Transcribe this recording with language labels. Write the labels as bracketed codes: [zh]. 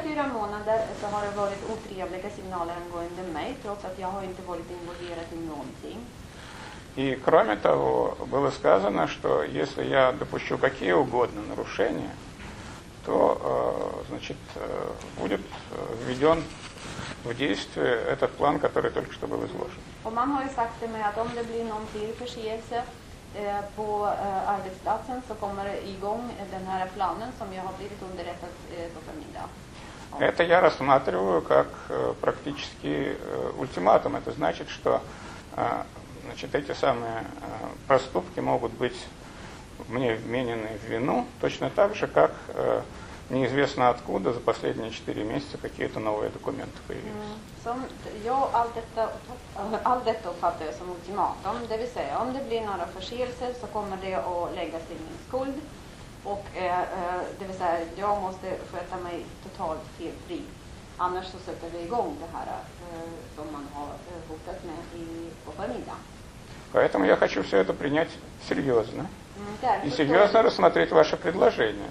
[ru] Все 4 месяца это были неприятные сигналы ангоинде мэй, трёц от я не был инволюирован в нонтинг. И кроме того, было сказано, что если я допущу какие угодно нарушения, то, значит, будет введен в действие этот план, который только что был изложен. Он мне уже сказал мне, что если будет какая-то ошибка, [sv] på arbetsplatsen så kommer igång den här planen som jag har blivit underrättad på förmiddag. [ru] Это я рассматриваю как практически ультиматум. Это значит, что значит, эти самые проступки могут быть мне вменены в вину, точно так же, как неизвестно откуда за последние 4 месяца какие-то новые документы появились. [sv] Som jag all detta uppfattar som ultimatum, det vill säga om det blir några förseelser så kommer det att läggas till min skuld och det vill säga jag måste sköta mig totalt felfri. Annars så sätter vi igång det här som man har hotat med på förmiddagen. [ru] Поэтому я хочу все это принять серьезно. И серьезно рассмотреть ваше предложение.